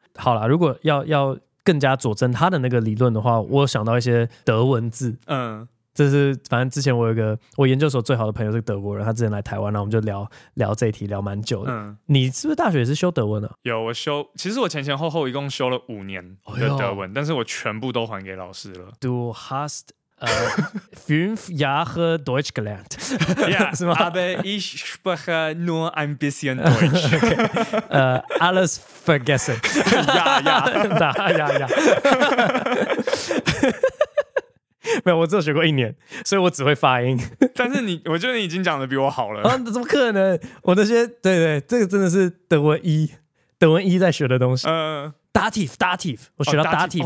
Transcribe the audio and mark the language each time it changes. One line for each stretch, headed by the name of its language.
Chinese: 好啦，如果 要更加佐证他的那个理论的话，我有想到一些德文字。嗯，这是反正之前我有一个我研究所最好的朋友是德国人，他之前来台湾，然后我们就聊聊这一题聊蛮久的。嗯，你是不是大学也是修德文啊？有，我修，其实我前前后后一共修了5年的德文、哎、但是我全部都还给老师了。
German: Du hast fünf Jahre Deutsch gelernt. Yeah, aber ich spreche nur ein bisschen Deutsch. Okay. Alles vergessen. Ja, ja. Da, ja, ja.
Chinese: 没有，我只有学过1年，所以我只会发音。但是你，我觉得你已经讲得比我好了。啊，怎么可能？我那些，对对，这个真的是德文一，德文一在学的东西。 Dativ 我学到 Dativ、